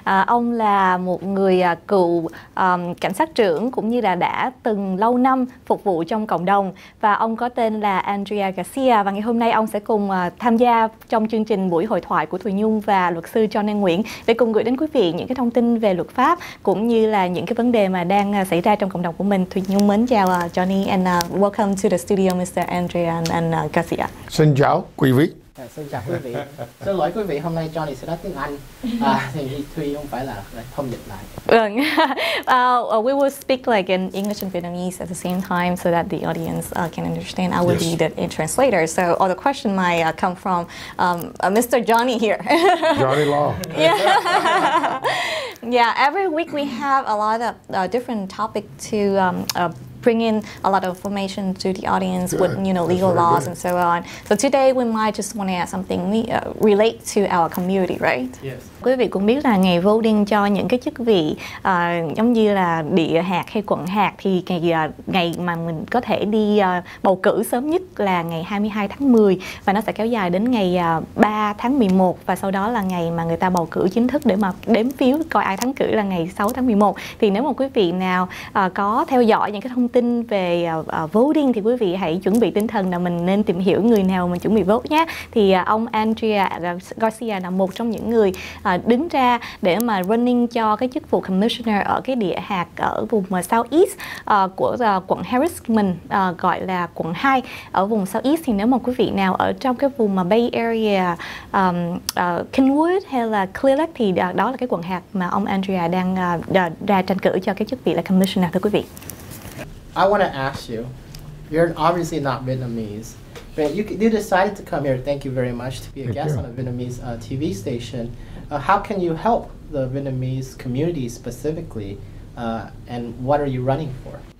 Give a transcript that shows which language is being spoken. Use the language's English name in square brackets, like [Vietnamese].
[Vietnamese] Ông là một người cựu cảnh sát trưởng cũng như là đã từng lâu năm phục vụ trong cộng đồng, và ông có tên là Andrea Garcia, và ngày hôm nay ông sẽ cùng tham gia trong chương trình buổi hội thoại của Thùy Nhung và luật sư Johnny Nguyễn để cùng gửi đến quý vị những cái thông tin về luật pháp cũng như là những cái vấn đề mà đang xảy ra trong cộng đồng của mình. [English] Thùy Nhung [Vietnamese] mến chào [English] Johnny, and welcome to the studio Mr. Andrea and Garcia. [Vietnamese] Xin chào quý vị. Xin chào quý vị. Xin lỗi quý vị, hôm nay Johnny sẽ nói tiếng Anh. Thì Thùy không phải là thông dịch lại. Vâng. [English] We will speak like in English and Vietnamese at the same time so that the audience can understand. I will be the translator. So all the questions might come from Mr. Johnny here. Johnny Law. Yeah, every week we have a lot of different topic to bring in a lot of information to the audience with, you know, legal laws and so on. So today we might just want to add something relate to our community, right? Yes. [Vietnamese] Quý vị cũng biết là ngày voting cho những cái chức vị giống như là địa hạt hay quận hạt, thì ngày mà mình có thể đi bầu cử sớm nhất là ngày 22 tháng 10, và nó sẽ kéo dài đến ngày 3 tháng 11, và sau đó là ngày mà người ta bầu cử chính thức để mà đếm phiếu coi ai thắng cử là ngày 6 tháng 11. Thì nếu mà quý vị nào có theo dõi những cái thông tin về voting thì quý vị hãy chuẩn bị tinh thần là mình nên tìm hiểu người nào mình chuẩn bị vote nhé. Thì ông Andrea Garcia là một trong những người đứng ra để mà running cho cái chức vụ commissioner ở cái địa hạt ở vùng South East của quận Harrisburg, gọi là quận 2 ở vùng South East. Thì nếu mà quý vị nào ở trong cái vùng mà Bay Area, Kenwood hay là Clearlake, thì đó là cái quận hạt mà ông Andrea đang ra tranh cử cho cái chức vị là commissioner, thưa quý vị. [English] I want to ask you, you're obviously not Vietnamese, but you decided to come here, thank you very much, to be a thank guest you. On a Vietnamese TV station. How can you help the Vietnamese community specifically, and what are you running for?